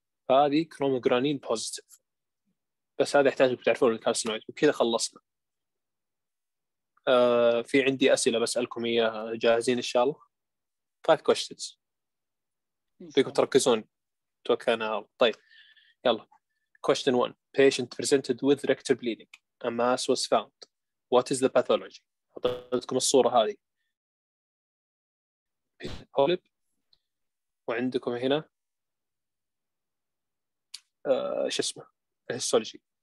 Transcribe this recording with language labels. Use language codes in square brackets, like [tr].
[ar] هذه كروموغرانين بوزيتيف. بس هذا يحتاج تعرفون الكارسينويد. وكذا خلصنا. في عندي أسئلة بسألكم إياها جاهزين إن شاء الله. [en] 5 questions [ar] فيكم تركزون توكلنا على الله. [en] طيب يلا question 1 patient presented with rectal bleeding a mass was found what is the pathology. [ar] أعطيتكم الصورة هذه polyp وعندكم هنا شو اسمه هيستولوجي.